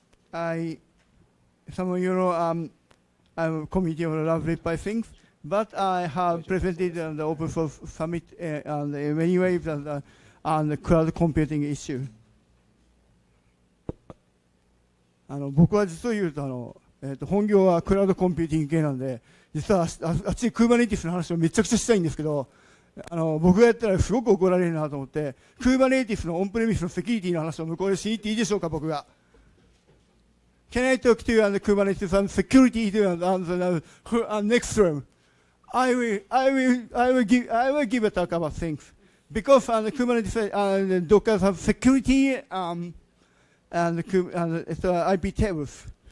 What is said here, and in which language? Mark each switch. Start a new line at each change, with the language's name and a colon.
English: Some of you know, I'm a committee on Raspberry Pi things, but I have presented on the Open Source Summit and in many ways on the cloud computing issue.
Japanese: 僕は実を言うと、本業はクラウドコンピューティング系なんで、実はあっちクーバネティスの話をめちゃくちゃしたいんですけど、僕がやったらすごく怒られるなと思って、クーバネティスのオンプレミスのセキュリティの話を向こうでしに行っていいでしょうか、僕が。
English: Can I talk to you on the Kubernetes and security on the next room? I will give a talk about things. Because on the Kubernetes and Docker have security and IP tables.